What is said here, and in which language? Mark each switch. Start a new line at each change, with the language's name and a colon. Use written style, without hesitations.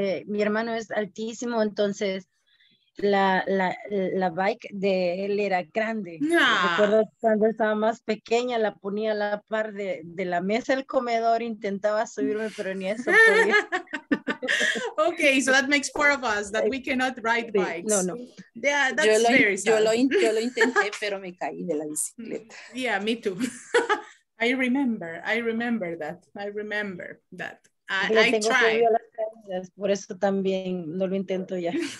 Spanish: Mi hermano es altísimo, entonces la bike de él era grande. Recuerdo cuando estaba más pequeña, la ponía a la par de la mesa del comedor, intentaba subirme, pero ni eso podía.
English: Okay, so that makes four of us that we cannot ride bikes. No. Yeah, that's very sad.
Spanish: Yo lo intenté, pero me caí de la bicicleta.
English: Yeah, me too. I remember that. I tried.
Spanish: Caídas, por eso también no lo intento ya.